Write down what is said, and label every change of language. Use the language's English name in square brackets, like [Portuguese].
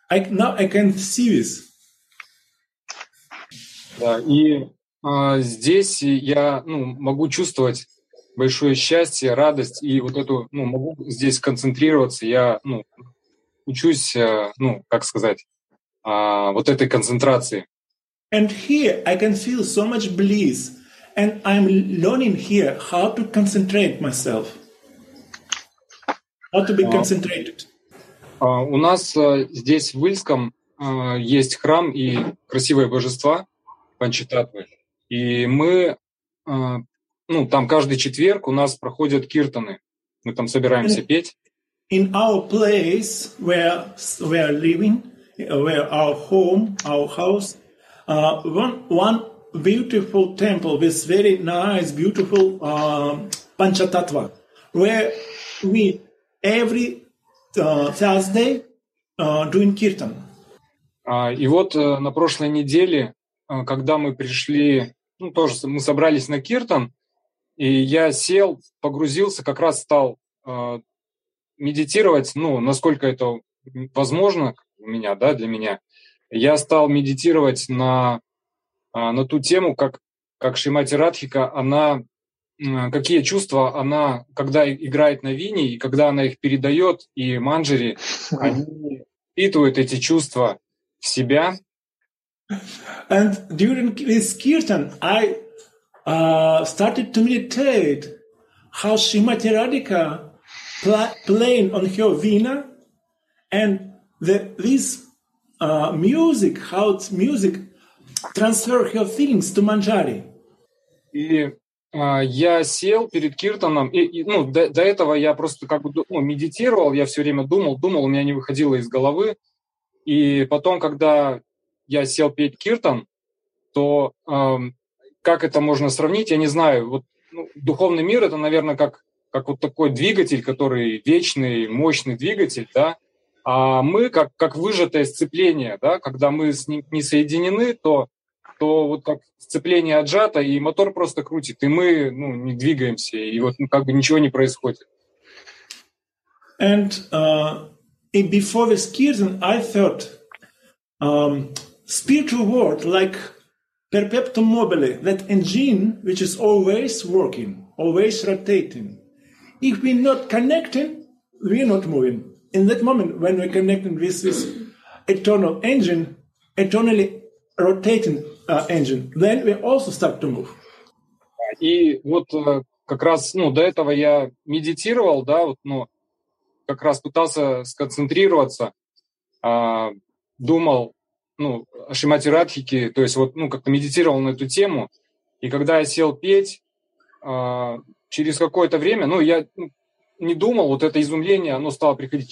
[English] Now I can see this. [Russian] Да, и здесь я могу чувствовать большое счастье, радость, и вот эту, могу здесь концентрироваться. Я учусь, как сказать, вот этой концентрации. [English] And here I can feel so much bliss, and I'm learning here how to concentrate myself. How to be concentrated. [Russian] У нас здесь в Ильском есть храм и красивые божества Панчататвы. И мы, там каждый четверг у нас проходят киртаны. Мы там собираемся петь. [English] In our place where we are living, where our home, our house, one beautiful temple with very nice, beautiful Panchatattva, where we every Thursday doing kirtan. [Russian] И вот на прошлой неделе, когда мы пришли, тоже мы собрались на киртан, и я сел, погрузился, как раз стал медитировать, насколько это возможно у меня, да, для меня. Я стал медитировать на ту тему, как Шримати Радхика, она какие чувства она, когда играет на вине, и когда она их передает, и манджари, они впитывают эти чувства в себя. [English] And during this kirtan, I started to meditate how Shrimati Radhika playing on her vina, and this music, how it's music transfer her feelings to Manjari. [Russian] И я сел перед Киртаном, и ну, до этого я просто как бы ну, медитировал, я все время думал, у меня не выходило из головы. И потом, когда я сел петь Киртан, то как это можно сравнить, я не знаю. Вот, ну, духовный мир — это, наверное, как вот такой двигатель, который вечный, мощный двигатель, да? А мы как выжатое сцепление, да? Когда мы с ним не соединены, то вот как сцепление отжато, и мотор просто крутит, и мы ну, не двигаемся, и вот ну, как бы ничего не происходит. [English] And before this kirtan, I felt spiritual world like perpetuum mobile, that engine which is always working, always rotating. If we're not connecting, we're not moving. In that moment, when we're connecting with this eternal engine, eternally rotating engine, then we also start to move. [Russian] И вот как раз ну, до этого я медитировал, да, вот, ну, как раз пытался сконцентрироваться, думал ну, о Шримати Радхике, то есть вот ну, как-то медитировал на эту тему. И когда я сел петь, через какое-то время, ну, я не думал, вот это изумление, оно стало приходить.